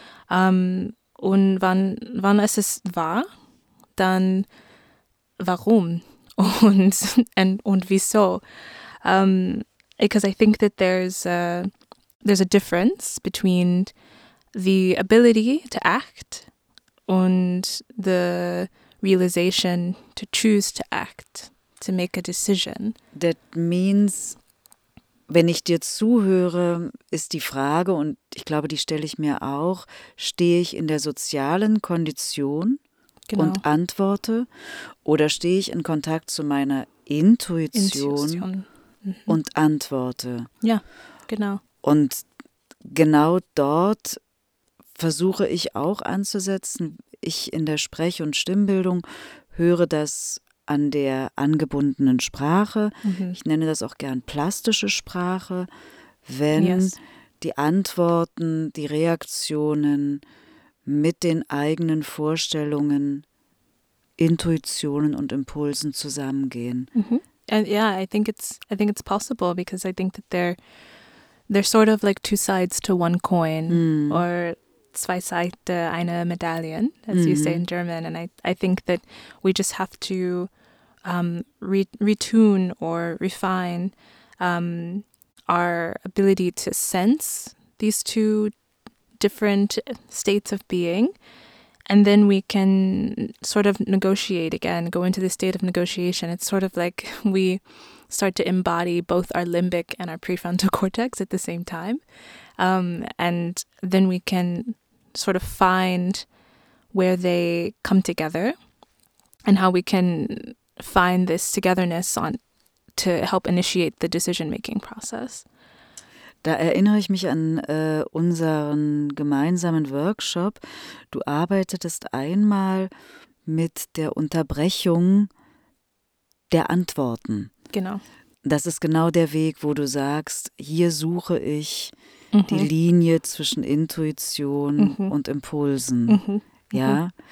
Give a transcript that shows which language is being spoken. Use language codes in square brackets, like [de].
[de] Und wann ist es wahr, dann warum und wieso? [en] Because I think that there's a difference between the ability to act and the realization to choose to act, to make a decision. That means, [de] wenn ich dir zuhöre, ist die Frage, und ich glaube, die stelle ich mir auch, stehe ich in der sozialen Kondition, genau, und antworte, oder stehe ich in Kontakt zu meiner Intuition mhm, und antworte? Ja, genau. Und genau dort versuche ich auch anzusetzen. Ich in der Sprech- und Stimmbildung höre das an der angebundenen Sprache. Mhm. Ich nenne das auch gern plastische Sprache, wenn, yes, die Antworten, die Reaktionen mit den eigenen Vorstellungen, Intuitionen und Impulsen zusammengehen. Mhm. [en] And yeah, I think it's possible, because I think that they're sort of like two sides to one coin, mm, or [de] zwei Seite einer Medaille, [en] as mm-hmm, you say in German. And I think that we just have to retune or refine our ability to sense these two different states of being. And then we can sort of negotiate again, go into the state of negotiation. It's sort of like we start to embody both our limbic and our prefrontal cortex at the same time. And then we can sort of find where they come together and how we can find this togetherness on to help initiate the decision-making process. [de] Da erinnere ich mich an unseren gemeinsamen Workshop. Du arbeitetest einmal mit der Unterbrechung der Antworten. Genau. Das ist genau der Weg, wo du sagst, hier suche ich, mhm, die Linie zwischen Intuition, mhm, und Impulsen. Mhm. Mhm. Ja.